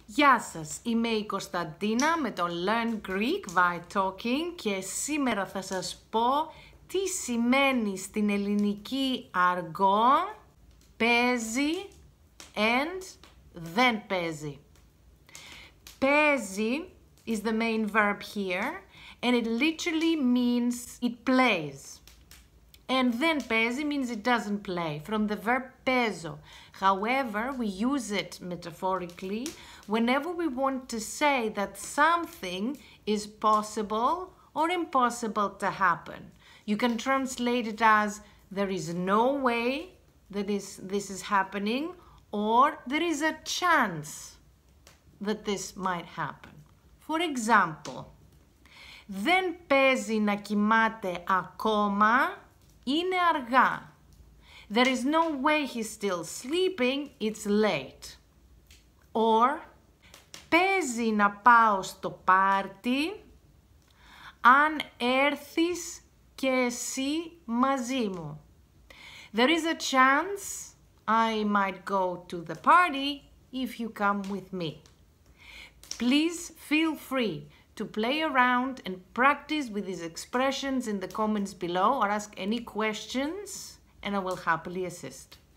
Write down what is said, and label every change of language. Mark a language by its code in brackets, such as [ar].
[el] Γεια σας, είμαι η Κωνσταντίνα με το Learn Greek via Talking και σήμερα θα σας πω τι σημαίνει στην ελληνική αργό παίζει [en] and [el] δεν παίζει. [en] Παίζει is the main verb here and it literally means it plays. And then παίζει means it doesn't play, from the verb παίζω. However, we use it metaphorically whenever we want to say that something is possible or impossible to happen. You can translate it as there is no way that this is happening or there is a chance that this might happen. For example, [el] δεν παίζει να κοιμάται ακόμα. Είναι αργά. [en] There is no way he's still sleeping, it's late. [el] Or, παίζει να πάω στο πάρτι, αν έρθεις και εσύ μαζί μου. [en] There is a chance I might go to the party if you come with me. Please feel free to play around and practice with these expressions in the comments below or ask any questions and I will happily assist.